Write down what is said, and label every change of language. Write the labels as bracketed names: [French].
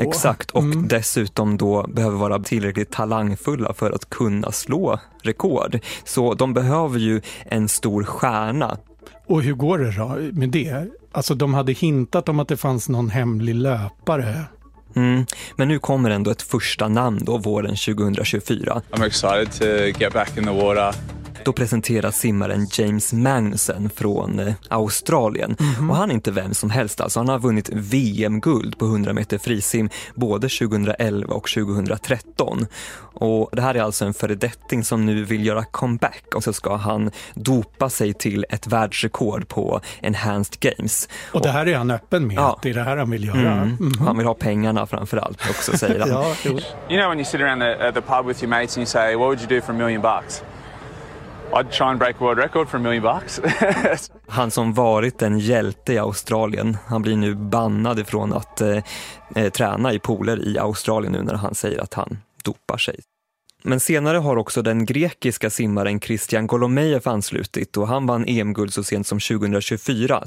[Swedish] Exakt, och dessutom då behöver vara tillräckligt talangfulla för att kunna slå rekord. Så de behöver ju en stor stjärna. Och hur går det då med det? Alltså de hade hintat om att det fanns någon hemlig löpare. Mm. Men nu kommer ändå ett första namn då, våren 2024. [English] I'm excited to get back in the water. [Swedish] Då presenteras simmaren James Magnussen från Australien. Mm-hmm. Och han är inte vem som helst, alltså han har vunnit VM-guld på 100 meter frisim både 2011 och 2013. Och det här är alltså en föredetting som nu vill göra comeback, och så ska han dopa sig till ett världsrekord på Enhanced Games. Och det här är han öppen med, det är det här han vill göra. Mm. Mm-hmm. Han vill ha pengarna framförallt också, säger han. Ja, [English] you know when you sit around the pub with your mates and you say, what would you do for $1 million? I'd try and break world record for $1 million. [Swedish] Han som varit en hjälte i Australien, han blir nu bannad ifrån att träna i pooler i Australien nu när han säger att han dopar sig. Men senare har också den grekiska simmaren Christian Golomeyev anslutit, och han vann EM-guld så sent som 2024.